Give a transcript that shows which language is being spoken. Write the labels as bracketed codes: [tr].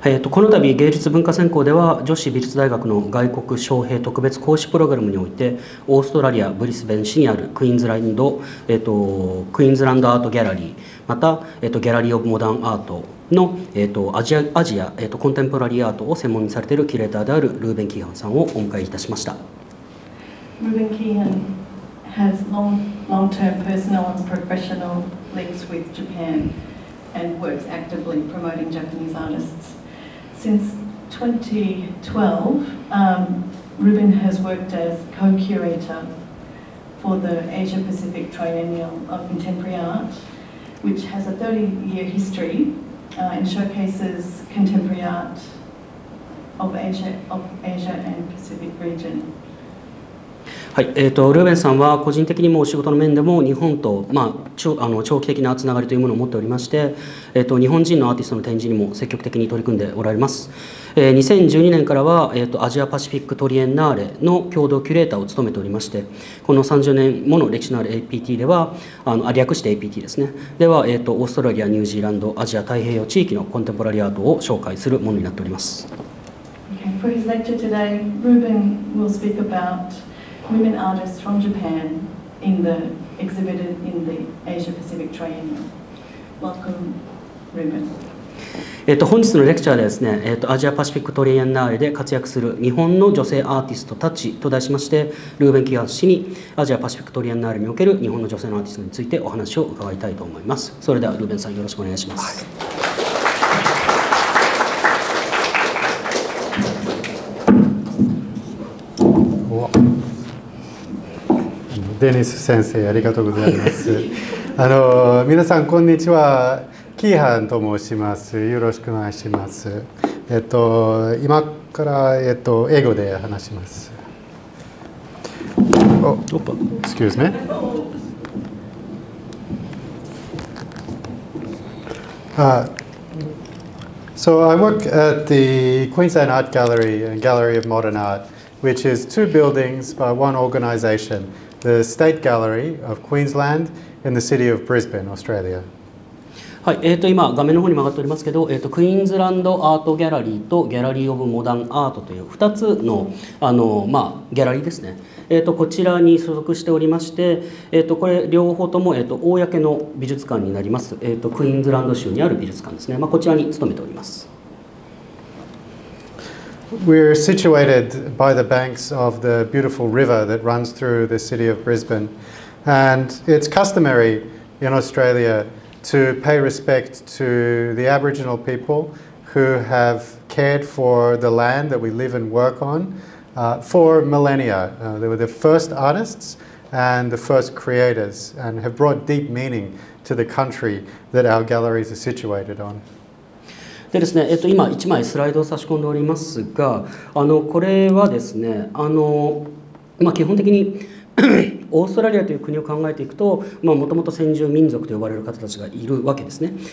[ja] この度芸術文化専攻では女子美術大学の外国招聘特別講師プログラムにおいてオーストラリアブリスベン市にあるクイーンズランド、クイーンズランドアートギャラリー、また、ギャラリーオブモダンアートの、アジア、コンテンポラリーアートを専門にされているキュレーターであるルーベン・キーハンさんをお迎えいたしました。 [en] ルーベン・キーハンhas long-term personal and professional links with Japan and works actively promoting Japanese artists. Since 2012, Ruben has worked as co-curator for the Asia-Pacific Triennial of Contemporary Art, which has a 30-year history and showcases contemporary art of Asia and Pacific region. [ja] はい、ルーベンさんは個人的にもお仕事の面でも日本と、長期的なつながりというものを持っておりまして、日本人のアーティストの展示にも積極的に取り組んでおられます。 2012年からは、アジアパシフィックトリエンナーレの共同キュレーターを務めておりまして、この30年もの歴史のある APT では、略して APT ですね、では、オーストラリア、ニュージーランド、アジア太平洋地域のコンテンポラリーアートを紹介するものになっております。 [en] Okay, for his lecture today, Ruben will speak aboutwomen artists from Japan in the exhibited in the Asia-Pacific Triennial. Welcome, Ruben. [ja] 本日のレクチャーでですね、アジアパシフィックトリエンナーレで活躍する日本の女性アーティストたちと題しまして、ルーベン・キーハン氏にアジアパシフィックトリエンナーレにおける日本の女性のアーティストについてお話を伺いたいと思います。それではルーベンさん、よろしくお願いします。デニス先生、ありがとうございます。皆さん、こんにちは。キーハンと申します。よろしくお願いします。今から、英語で話します。 [en] Excuse me. So I work at the Queensland Art Gallery and Gallery of Modern Art, which is two buildings by one organization. The State Gallery of Queensland in the city of Brisbane, Australia. [ja] はい、今画面の方に曲がっておりますけど、クイーンズランドアートギャラリーとギャラリーオブモダンアートという2つの、ギャラリーですね、こちらに所属しておりまして、これ両方とも、公の美術館になります、クイーンズランド州にある美術館ですね、こちらに勤めております。 [en] We're situated by the banks of the beautiful river that runs through the city of Brisbane. And it's customary in Australia to pay respect to the Aboriginal people who have cared for the land that we live and work on for millennia. They were the first artists and the first creators and have brought deep meaning to the country that our galleries are situated on. [ja] でですね、今1枚スライドを差し込んでおりますが、これはですね、基本的にオーストラリアという国を考えていくと、もともと先住民族と呼ばれる方たちがいるわけですね。